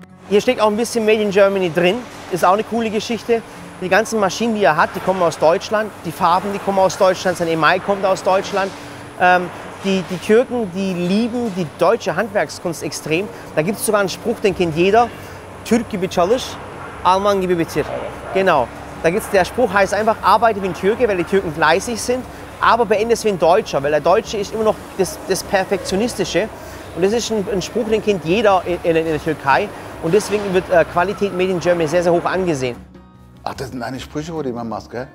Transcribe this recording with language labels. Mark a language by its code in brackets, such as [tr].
[de] Hier steckt auch ein bisschen Made in Germany drin. Ist auch eine coole Geschichte. Die ganzen Maschinen, die er hat, die kommen aus Deutschland. Die Farben, die kommen aus Deutschland. Sein Email kommt aus Deutschland. Die Türken, die lieben die deutsche Handwerkskunst extrem. Da gibt es sogar einen Spruch, den kennt jeder. [tr] Türk gibi çalış, Alman gibi bitir. [de] Genau. Da gibt's, der Spruch heißt einfach, arbeite wie ein Türke, weil die Türken fleißig sind, aber beende es wie ein Deutscher, weil der Deutsche ist immer noch das Perfektionistische. Und das ist ein Spruch, den kennt jeder in der Türkei. Und deswegen wird Qualität Made in Germany sehr, sehr hoch angesehen. Ach, das sind deine Sprüche, wo du immer machst, gell?